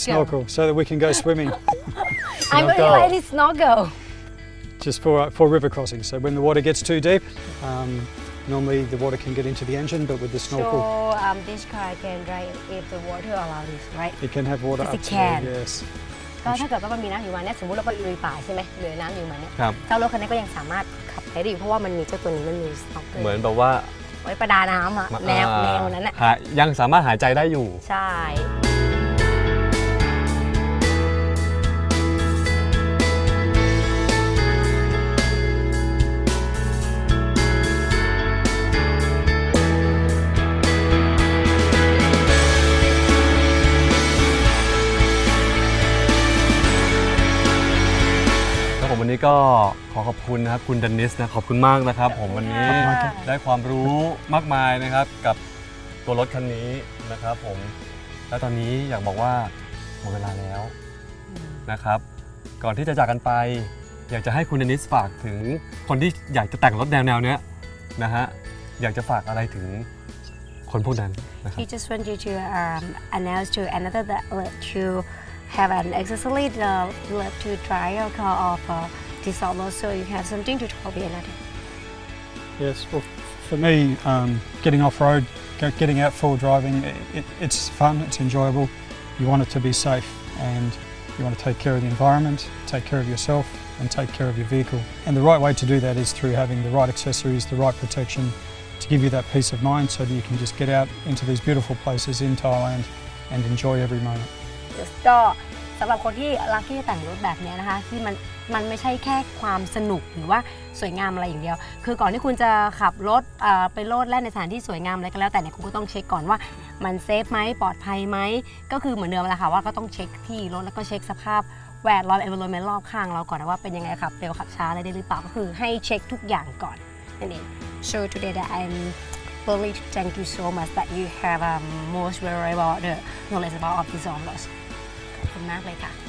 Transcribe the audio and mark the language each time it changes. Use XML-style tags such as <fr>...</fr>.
<en>snorkel so that we can go swimming. I'm really like this snorkel. Just for river crossing. So when the water gets too deep. Normally the water can get into the engine, but with the snorkel. So this car can drive if the water allows it, right? It can have water up to there, yes.</en> <th>ก็ถ้าเกิดว่ามันมีน้ำอยู่มาเนี่ยสมมติเราก็ลุยป่าใช่ไหมเหลือน้ำอยู่มาเนี่ย ครับ เจ้ารถคันนี้ก็ยังสามารถขับได้ดีเพราะว่ามันมีเจ้าตัวนี้มันมีสโนว์เกิล เหมือนแบบว่า ไว้ประดาน้ำอะแนวนั้นแหละ ยังสามารถหายใจได้อยู่ ใช่ันนี้ก็ขอขอบคุณนะครับคุณเดนิสนะขอบคุณมากนะครับผมวันนี้ได้ความรู้มากมายนะครับกับตัวรถคันนี้นะครับผมแล้วตอนนี้อยากบอกว่าหมดเวลาแล้วนะครับก่อนที่จะจากกันไปอยากจะให้คุณเดนิสฝากถึงคนที่อยากจะแต่งรถแนวๆเนี้ยนะฮะอยากจะฝากอะไรถึงคนพวกนั้นนะครับ</th> <en>He just wanted to announce to another that led to have an accessory that led to try a car of this auto so you have something to talk about another Yes well for me getting off road getting out four-wheel driving it's fun it's enjoyable you want it to be safe andYou want to take care of the environment, take care of yourself, and take care of your vehicle. And the right way to do that is through having the right accessories, the right protection, to give you that peace of mind so that you can just get out into these beautiful places in Thailand and enjoy every moment.</en> <th>ก็สำหรับคนที่รักที่จะแต่งรถแบบนี้นะคะที่มันไม่ใช่แค่ความสนุกหรือว่าสวยงามอะไรอย่างเดียวคือก่อนที่คุณจะขับรถไปโลดแล่นในสถานที่สวยงามอะไรก็แล้วแต่เนี่ยคุณก็ต้องเช็คก่อนว่ามันเซฟไหมปลอดภัยไหม ก็คือเหมือนเดิมแหละค่ะว่าก็ต้องเช็คที่รถแล้วก็เช็คสภาพแวดล้อม environment รอบข้างเราก่อนว่าเป็นยังไงขับเร็วขับช้าอะไรได้หรือเปล่าก็คือให้เช็คทุกอย่างก่อนนั่นเอง</th> <en>So today that I'm really thank you so much that you have most valuable the knowledge about of these autos</en> <th>ขอบคุณมากเลยค่ะ</th>